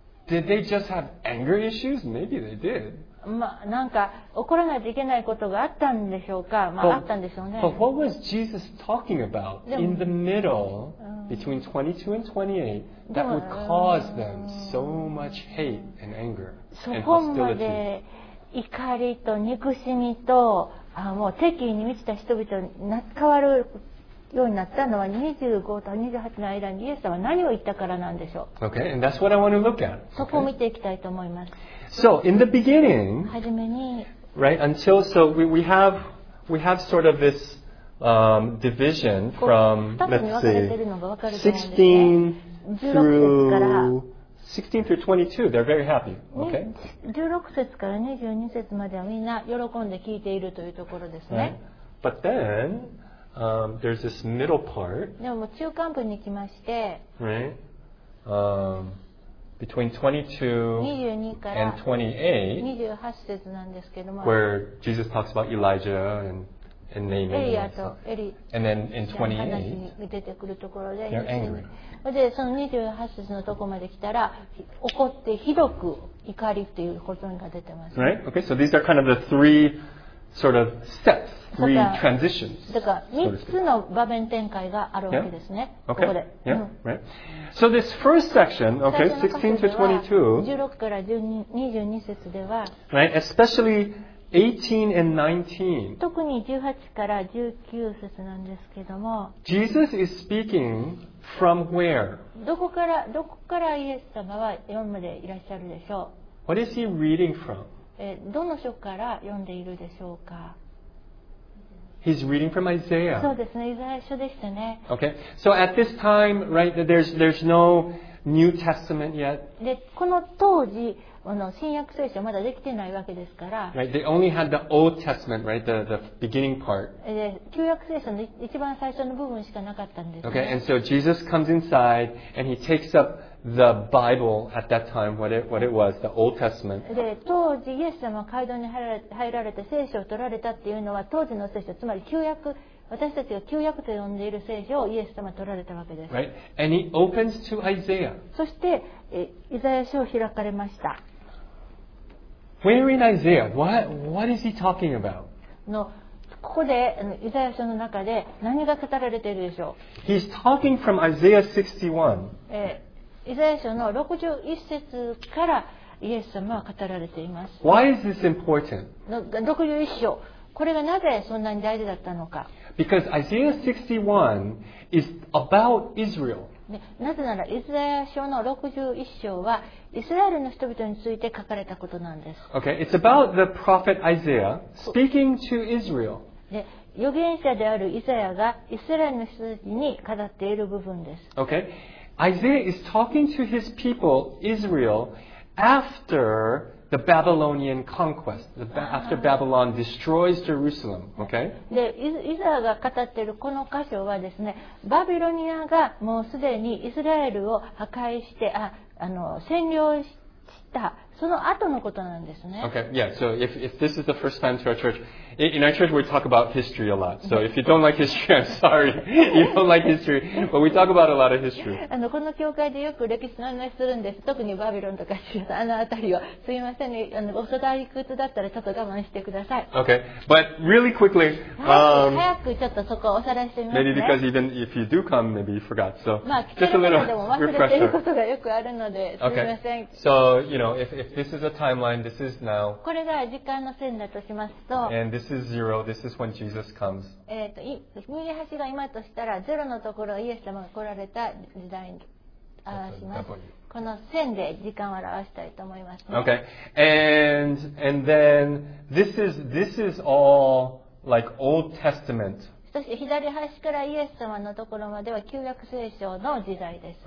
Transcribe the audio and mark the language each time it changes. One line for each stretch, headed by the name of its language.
English: Did they just have anger issues? Maybe they did.
Japanese: まあ、なんか起こらないといけないことがあったんでしょうか、まあ、あったんでしょうね。
English: But what was Jesus talking about in the middle between 22 and 28 that would cause them so much hate and anger and hostility?
Japanese: そこまで怒りと憎しみと、あ、もう敵意に満ちた人々になっ変わるようになったのは25と28の間にイエス様は何を言ったからなんでしょう。
English: Okay, and that's what I want to look at.
Japanese: そこを見ていきたいと思います。
English: So in the beginning, right, until, so we have sort of this division from, let's see, 16 through 22, they're very happy, okay?
Japanese: 16節から22節まではみんな喜んで聞いているというところですね。
English: But then, there's this middle part.
Japanese: でも中間部に来まして、
English: Between 22 and 28,
Japanese: 28節なんですけども、
English: where Jesus talks about Elijah and Naaman, and then in 28,
Japanese: 出てくるところで、
English: they're angry.
Japanese: で、その28節のとこまで来たら、怒ってひどく怒りっていうことが出てます。
English: Right? Okay, so these are kind of the three sort of steps, three transitions.
Japanese: だから3つの場面展開があるわけですね。
English: Yeah? Okay.
Japanese: ここで。
English: Yeah? Right? So this first section, okay, 16 to 22, 16
Japanese: から22節では、
English: right, especially 18 and 19,
Japanese: 特に18から19節なんですけども、
English: Jesus is speaking from where?
Japanese: どこからイエス様は読むでいらっしゃるでしょう。
English: What is he reading from?
Japanese: どの書から読んでいるでしょうか。
English: He's reading from Isaiah.
Japanese: そうですね、イザヤ書でしたね。
English: Okay. So at this time, right, there's no New Testament yet.
Japanese: で、この当時、新約聖書まだできてないわけですから。
English: Right. They only had the Old Testament, right, the beginning part.
Japanese: で、旧約聖書の一番最初の部分しかなかったんです、ね。
English: Okay. And so Jesus comes inside and he takes up the Bible at that time, what it was, the Old Testament.
Japanese: で、当時イエス様が会堂に入られて聖書を取られたっていうのは当時の聖書、つまり旧約、私たちが旧約と呼んでいる聖書をイエス様が取られたわけです。
English: Right? And he opens to Isaiah.
Japanese: そしてイザヤ書を開かれました。
English: Where in Isaiah? What is he talking about?
Japanese: のここでイザヤ書の中で何が語られているでしょう。
English: He's talking from Isaiah 61.
Japanese: イザヤ書の61節からイエス様は語られています。
English: Why is this important?
Japanese: 61章。これがなぜそんなに大事だったのか。
English: Because Isaiah 61 is about Israel.
Japanese: なぜならイザヤ書の61章はイスラエルの人々について書かれたことなんです。
English: Okay, it's about the prophet Isaiah speaking to Israel.
Japanese: で、預言者であるイザヤがイスラエルの人たちに語っている部分です。
English: Okay. Isaiah is talking to his people, Israel, after the Babylonian conquest, after Babylon destroys Jerusalem. Okay?
Japanese: で、イザヤが語っているこの箇所はですね、バビロニアがもうすでにイスラエルを破壊して、占領した、その後のことなんですね。
English: Okay, yeah, so if this is the first time to our church, in our church we talk about history a lot. So if you don't like history, I'm sorry. You don't like history, but we talk about a lot of history.
Japanese: この教会でよく歴史の話するんです。特にバビロンとかあのあたりは。すいませんね。お世代屈だったらちょっと我慢してください。
English: Okay, but really quickly,
Japanese: 早くちょっとそこをおさらいしてみますね。
English: Maybe because even if you do come, maybe you forgot. So, まあ、just a little refresher.
Japanese: 忘れていることがよくあるので、すいません。
English: Okay. So, you know, if this is a timeline, this is now.
Japanese: これが時間の線だとしますと、
English: and this is zero. This is when Jesus comes.
Japanese: 28が今としたらゼロのところイエス様が来られた時代表します。この線で時間を表したいと思います、ね。
English: Okay. And then this is all like Old Testament.
Japanese: そして左端からイエス様のところまでは旧約聖書の時代です。